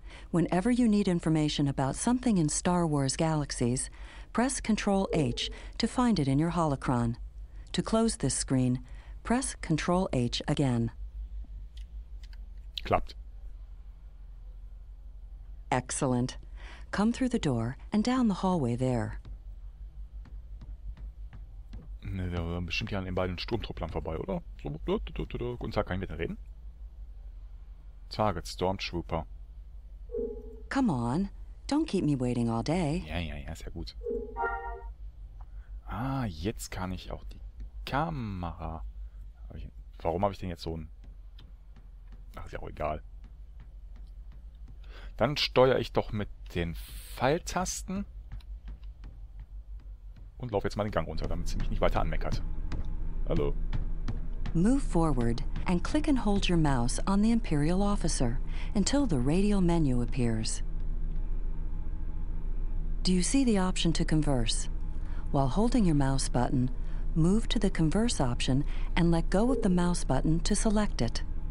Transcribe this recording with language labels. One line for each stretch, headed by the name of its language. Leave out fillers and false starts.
English: Whenever you need information about something in Star Wars Galaxies, press Control H to find it in your holocron. To close this screen, press Control H again.
German: Klappt.
English: Excellent. Come through the door and down the hallway there.
German: Ne, wir sind bestimmt hier an den beiden Sturmtrupplern vorbei, oder? So, guten Tag, kann ich mit denen reden?
English: Target Stormtrooper. Come on, don't keep me waiting all day.
German: Ja, ist ja gut. Ah, jetzt kann ich auch die Kamera. Warum habe ich denn jetzt so ein? Ach, ist ja auch egal. Dann steuere ich doch mit den Pfeiltasten. Und laufe jetzt mal den Gang runter, damit sie mich nicht weiter anmeckert. Hallo.
English: Move forward and click and hold your mouse on the Imperial officer until the radial menu appears. Do you see the option to converse? While holding your mouse button, move to the converse option and let go of the mouse button to select it.